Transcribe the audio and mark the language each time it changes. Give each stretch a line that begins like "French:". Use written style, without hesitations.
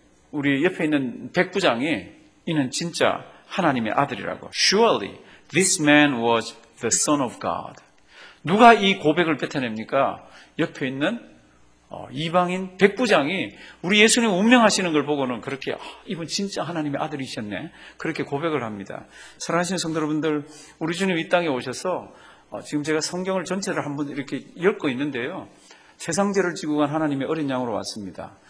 Korean: 우리 옆에 있는 백부장이 이는 진짜 하나님의 아들이라고.
English: Surely this man was the son of God.
Korean: 누가 이 고백을 뱉어냅니까? 옆에 있는 이방인 백부장이 우리 예수님 운명하시는 걸 보고는 그렇게 이분 진짜 하나님의 아들이셨네 그렇게 고백을 합니다. 사랑하시는 성도 여러분들, 우리 주님 이 땅에 오셔서 지금 제가 성경을 전체를 한번 이렇게 읽고 있는데요. 세상죄를 지고 간 하나님의 어린 양으로 왔습니다.